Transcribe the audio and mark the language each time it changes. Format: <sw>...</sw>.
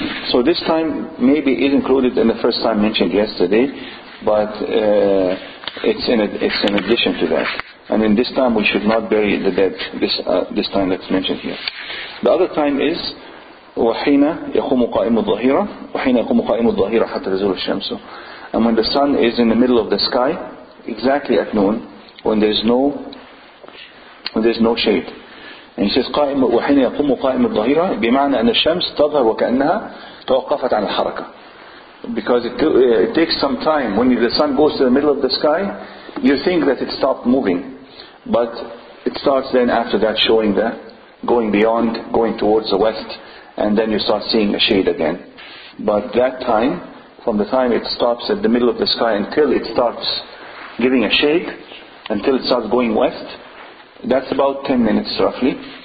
<en>So this time maybe is included in the first time mentioned yesterday, but it's in addition to that. And in this time we should not bury the dead, this time that's mentioned here. The other time is</en> <ar>وَحِينَ يَقُومُ قَائِمُ الظَّهِيرَةِ وَحِينَ يَقُومُ قَائِمُ الظَّهِيرَةِ حَتَّى تَزُولَ الشَّمْسُ.</ar> <en>And when the sun is in the middle of the sky, exactly at noon, when there's no shade. And he says</en> <ar>قائم وحين يقوم قائم الظهيرة بمعنى أن الشمس تظهر وكأنها توقفت عن الحركة.</ar> <en>Because it takes some time when the sun goes to the middle of the sky, you think that it stopped moving, but it starts then after that showing the going beyond, going towards the west, and then you start seeing a shade again. But that time, from the time it stops at the middle of the sky until it starts giving a shade, until it starts going west, that's about 10 minutes roughly.</en>